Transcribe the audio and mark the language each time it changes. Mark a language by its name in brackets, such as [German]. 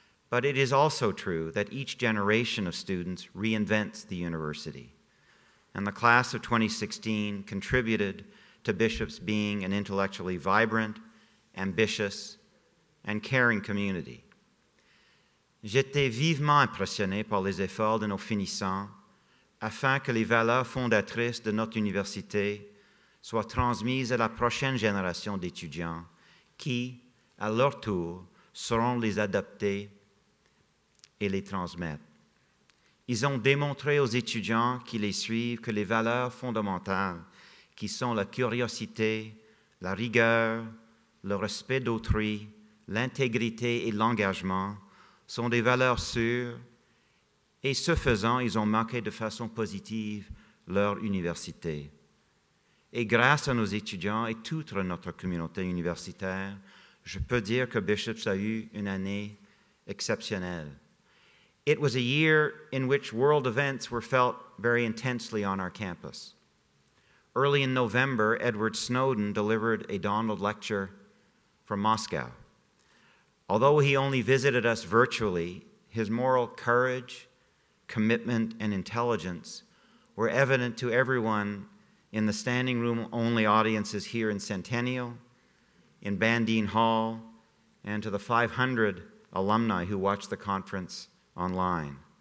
[English] But it is also true that each generation of students reinvents the university. And the class of 2016 contributed to Bishop's being an intellectually vibrant, ambitious, and caring community. [French] J'étais vivement impressionné par les efforts de nos finissants afin que les valeurs fondatrices de notre université soient transmises à la prochaine génération d'étudiants qui, à leur tour, sauront les adapter et les transmettre. Ils ont démontré aux étudiants qui les suivent que les valeurs fondamentales, qui sont la curiosité, la rigueur, le respect d'autrui, l'intégrité et l'engagement, sont des valeurs sûres, et ce faisant, ils ont marqué de façon positive leur université. Et grâce à nos étudiants et toute notre communauté universitaire, je peux dire que Bishop's a eu une année exceptionnelle. [English] It was a year in which world events were felt very intensely on our campus. Early in November, Edward Snowden delivered a Donald lecture from Moscow. Although he only visited us virtually, his moral courage, commitment, and intelligence were evident to everyone in the standing room only audiences here in Centennial, in Bandine Hall, and to the 500 alumni who watched the conference online.